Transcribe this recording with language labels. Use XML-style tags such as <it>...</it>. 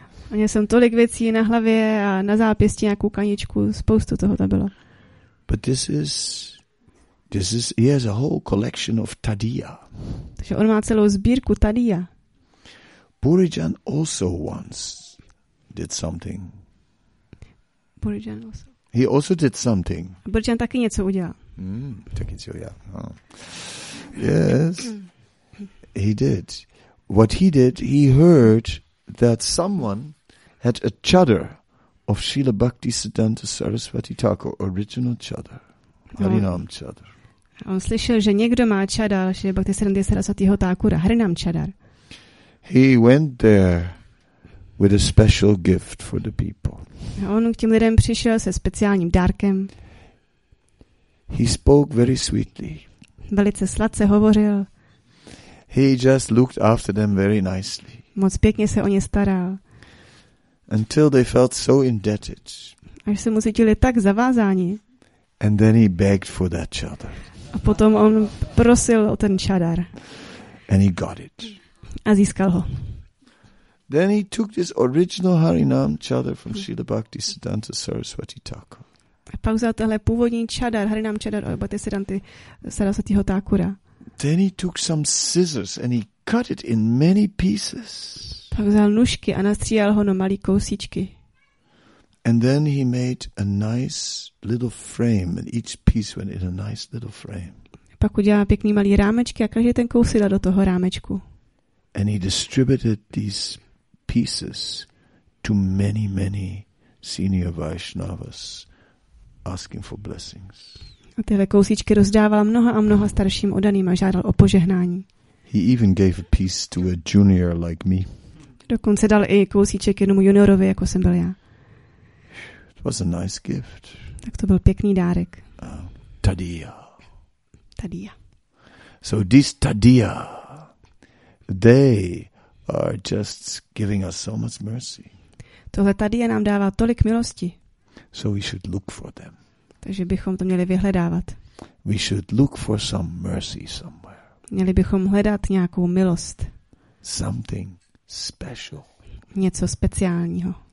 <cs>A měl jsem tolik věcí na hlavě a na zápěstí na koukaničku, spoustu toho tam bylo.</cs> <en>But this is he has a whole collection of tadiya.</en> <cs>Takže on má celou sbírku tadiya.</cs> <en>Purijan also once did something. Purijan also. He also did something.</en> <cs>Burjan taky něco udělal. Taky něco udělal.</cs> <en>Yes, he did. What he did, he heard that someone had a chadar of Srila Bhakti Siddhanta Saraswati Thakur, original chadar, Harinam chadar.</en> <cs>On slyšel, že někdo má chadar Srila Bhakti Siddhanta Saraswatiho Thakura, Harinam chadar.</cs> <en>He went there with a special gift for the people.</en> <cs>On k těm lidem přišel se speciálním dárkem.</cs> <en>He spoke very sweetly.</en> <cs>Velice sladce hovořil.</cs> <en>He just looked after them very nicely.</en> <cs>Moc pěkně se o ně staral.</cs> <en>Until they felt so indebted.</en> <cs>Až se mu cítili tak zavázáni.</cs> <en>And then he begged for that chadar.</en> <cs>A potom on prosil o ten čadar.</cs> <en>And he got it.</en> <cs>A získal ho.</cs> <en>Then he took this original Harinam chadar from Srila Bhakti Siddhanta Saraswati Thakur.</en> <cs>Pak vzal tohle původní čadar, Harinam čadar od Bhakti Siddhanty Sarasvatiho Thakura.</cs> <en>Then he took some scissors and he cut it in many pieces.</en> <cs>Pak vzal nůžky a nastříhal ho na malé kousíčky.</cs> <en>And then he made a nice little frame and each piece went in a nice little frame.</en> <cs>Pak udělal pěkný malý rámečky a každý ten kousek dal do toho rámečku.</cs> <en>And he distributed these pieces to many, many senior Vaishnavas asking for blessings.</en> <cs>A tyhle kousíčky rozdával mnoha a mnoha starším odaným a žádal o požehnání.</cs> <en>He even gave a piece to a junior like me.</en> <cs>Dokonce dal i kousíček jednomu juniorovi, jako jsem byl já.</cs> <en>It was a nice gift.</en> <cs>Tak to byl pěkný dárek.</cs> <en>Tadiya.</en> <cs>Tadiya.</cs> <en>So this tadiya, they are just giving us so much mercy.</en> <cs>Tohle tady je nám dává tolik milosti.</cs> <en>So we should look for them.</en> <cs>Takže bychom to měli vyhledávat.</cs> <en>We should look for some mercy somewhere.</en> <cs>Měli bychom hledat nějakou milost.</cs> <en>Something special.</en> <cs>Něco speciálního.</cs>